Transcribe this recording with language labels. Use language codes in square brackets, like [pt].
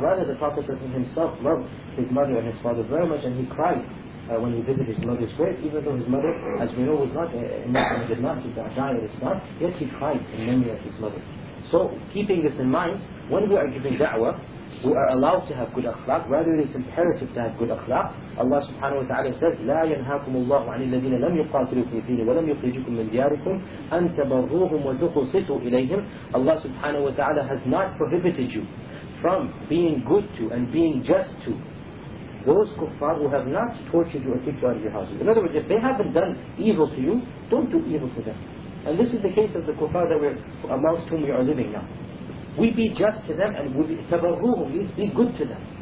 [en] Rather, the Prophet himself loved his mother and his father very much, and he cried when he visited his mother's grave, even though his mother, as we know, was not a Muslim, did not die at Islam, yet he cried in memory of his mother. So, keeping this in mind, when we are giving da'wah, we are allowed to have good akhlaq, rather it is imperative to have good akhlaq. [ar] Allah subhanahu wa ta'ala says, لَا يَنْهَاكُمُ اللَّهُ عَنِ الَّذِينَ لَمْ يُقَاتِلُكُمْ فِيهِ وَلَمْ يُخْرِجُكُمْ مِنْ دِيَارِكُمْ أَنْ تَبَرُّوهُمْ وَتُقْسِطُوا إِلَيْهِمْ. [en] Allah subhanahu wa ta'ala has not prohibited you from being good to and being just to those kuffar who have not tortured you or kicked you out of your houses. In other words, if they haven't done evil to you, don't do evil to them. And this is the case of the kuffar that we're amongst whom we are living now. We be just to them, and we be tabarruhum means be good to them.